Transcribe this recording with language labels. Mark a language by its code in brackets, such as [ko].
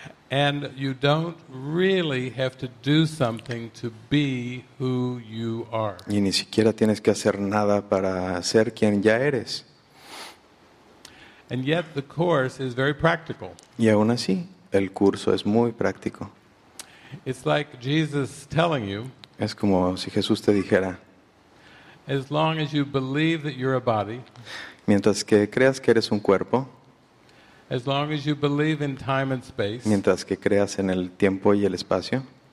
[en] And you don't really have to do something to be who you are. [es] Y ni siquiera tienes que hacer nada para ser quien ya eres. [en] And yet the course is very practical. [es] Y aún así, el curso es muy práctico. [en] It's like Jesus telling you. [es] Es como si Jesús te dijera. [en] As long as you believe that you're a body. [es] Mientras que creas que eres un cuerpo. [en] As long as you believe in time and space. [es] Mientras que creas en el tiempo y el espacio.